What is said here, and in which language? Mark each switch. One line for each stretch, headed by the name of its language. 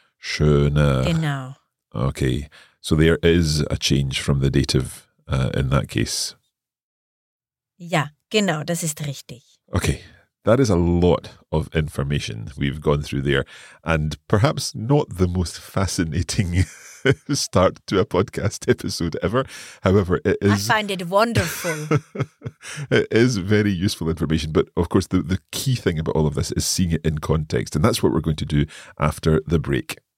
German: Schöner. Genau.
English: Okay, so there is a change from the dative in that case.
German: Ja, genau, das ist richtig.
English: Okay. That is a lot of information we've gone through there, and perhaps not the most fascinating start to a podcast episode ever. However, it is. I find it wonderful. It is very useful information, but of course, the key thing about all of this is seeing it in context, and that's what we're going to do after the break.